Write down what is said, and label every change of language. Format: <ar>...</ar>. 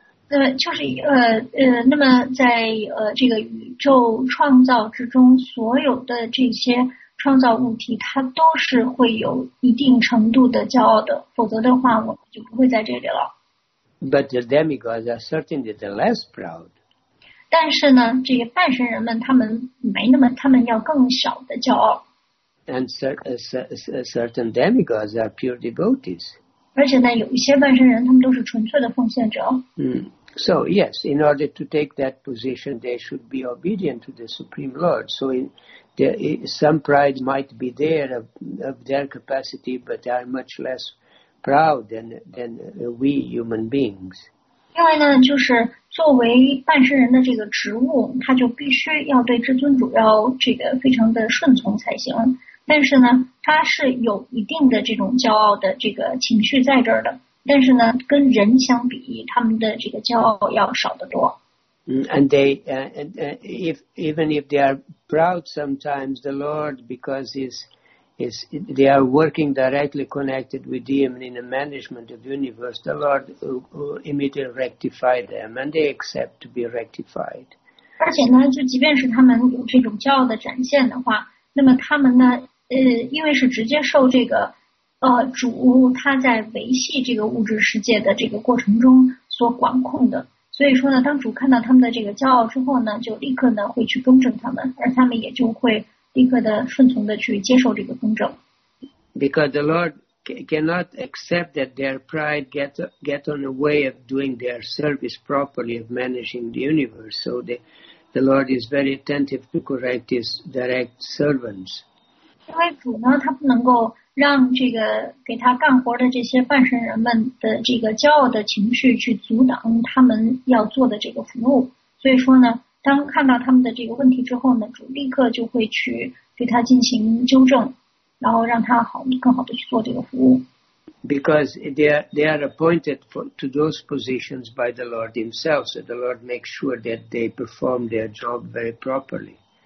<zh>就是那么在这个宇宙创造之中，所有的这些创造物体，它都是会有一定程度的骄傲的。否则的话，我们就不会在这里了。</zh> <en>But the demigods are certainly the less proud.</en> <zh>但是呢，这个半神人们他们没那么，他们要更小的骄傲。</zh> <en>And certain demigods are pure devotees.</en> <zh>而且呢，有一些半神人他们都是纯粹的奉献者。</zh> <en>So yes, in order to take that position, they should be obedient to the Supreme Lord. So some pride might be there of their capacity, but they are much less proud than we human beings.</en> <zh>另外呢，就是作为半身人的这个职务，他就必须要对至尊主要这个非常的顺从才行。但是呢，他是有一定的这种骄傲的这个情绪在这儿的。但是呢，跟人相比，他们的这个骄傲要少得多。</zh> <en>And they, if they are proud sometimes, the Lord, because is they are working directly connected with him in the management of the universe, the Lord immediately rectify them and they accept to be rectified.</en> <zh>而且呢，就即便是他们有这种骄傲的展现的话，那么他们呢，因为是直接受这个主他在维系这个物质世界的这个过程中所管控的，所以说呢，当主看到他们的这个骄傲之后呢，就立刻呢会去更正他们，而他们也就会立刻的顺从的去接受这个公正。</zh> <en>Because the Lord cannot accept that their pride get on the way of doing their service properly, of managing the universe. So the Lord is very attentive to correct his direct servants. Because they are appointed to those positions by the Lord himself, so the Lord makes sure that they perform their job very properly.</en>